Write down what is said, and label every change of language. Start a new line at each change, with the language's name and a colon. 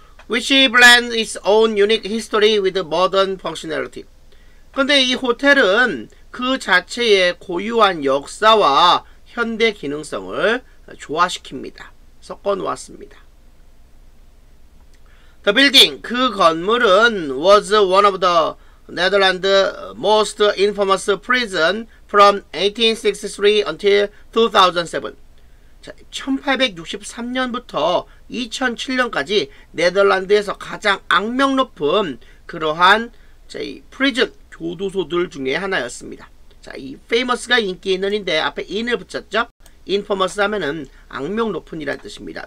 English: which blend its own unique history with modern functionality.
Korean: 근데 이 호텔은 그 자체의 고유한 역사와 현대 기능성을 조화시킵니다. 섞어 놓았습니다.
English: The building, 그 건물은 was one of the Netherlands' most infamous prison from 1863 until 2007.
Korean: 자, 1863년부터 2007년까지 네덜란드에서 가장 악명 높은 그러한 프리즌 교도소들 중에 하나였습니다. 자, 이 famous가 인기 있는인데 앞에 in을 붙였죠? infamous 하면은 악명 높은이라는 뜻입니다.